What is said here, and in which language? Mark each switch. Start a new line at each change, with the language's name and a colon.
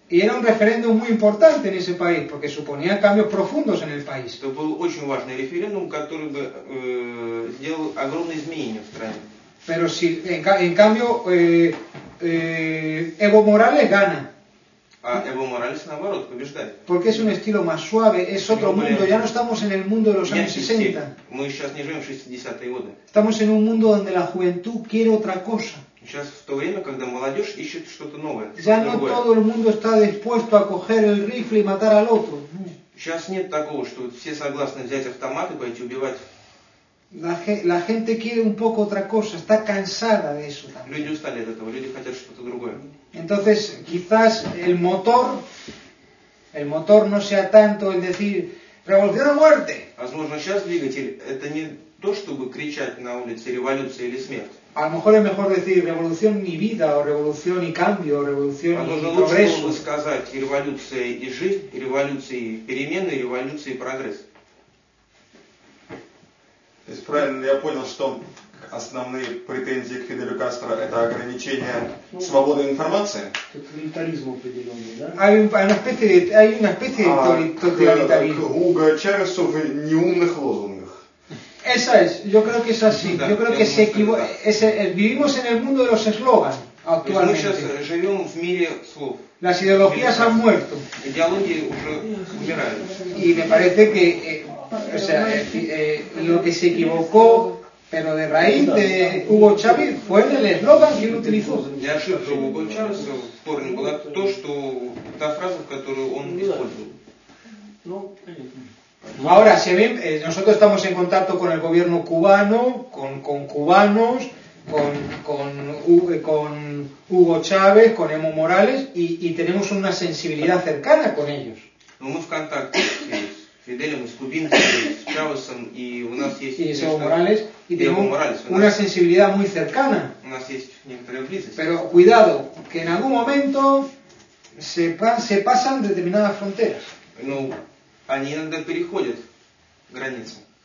Russian: И это был референдум очень важный в этом стране, потому что предполагал изменения глубокие в стране. Это был очень важный референдум, который бы сделал огромные изменения в стране.
Spanish: Pero si, en cambio, Evo Morales gana.
Russian: А Эво Моралес, наоборот, побеждает.
Spanish: Porque es un estilo más suave, es otro mundo, ya no estamos en el mundo de los años 60.
Russian: Мы сейчас не живем в 60-е годы.
Spanish: Estamos en un mundo donde la juventud quiere otra cosa.
Russian: Сейчас в то время, когда молодежь ищет что-то новое.
Spanish: Ya no todo el mundo está dispuesto a coger el rifle y matar al otro.
Russian: Сейчас нет такого, что все согласны взять автомат и пойти убивать.
Spanish: La gente quiere un poco otra cosa, está cansada de eso también.
Russian: Люди устали от этого, люди хотят что-то другое.
Spanish: Entonces, quizás el motor no sea tanto el decir revolución o muerte.
Russian: Возможно, сейчас двигатель это не то, чтобы кричать на улице революция или смерть.
Spanish: A lo mejor es mejor decir revolución y vida o revolución y cambio, o revolución
Russian: Возможно,
Spanish: y progreso.
Russian: Лучше было бы сказать революция и жизнь, революция и перемены, революция и прогресс. То есть правильно я понял, что основные претензии к Фиделю Кастро это ограничение свободы информации? Тоталитаризм определенный, да?
Spanish: Hay una especie de тоталитаризм.
Russian: К Уго Чавесу в неумных лозунгах.
Spanish: Esa es, yo creo que es así. Да, yo creo que se equivoca. Vivimos en el mundo de los eslоган.
Russian: Мы сейчас живем в мире слов.
Spanish: Las ideologías han muerto.
Russian: Идеологии уже умирают.
Spanish: Y me parece que o sea, lo que se equivocó, pero de raíz de Hugo Chávez, fue en el eslogan que él utilizó.
Russian: Для ошибки Уго Чавеса в корне была та фраза, которую он использовал. No, no.
Spanish: Ahora, se ven, nosotros estamos en contacto con el gobierno cubano, con cubanos, con Hugo Chávez, con Evo Morales, y tenemos una sensibilidad cercana con ellos.
Russian: Но мы в контакте с Фиделем, с кубинцами, с Чавесом, и у нас есть... И с Эво Моралес, и
Spanish: тенемос una sensibilidad muy cercana.
Russian: У нас есть некоторая близость.
Spanish: Pero cuidado, que en algún momento se pasan determinadas fronteras.
Russian: Ну, они иногда переходят границу.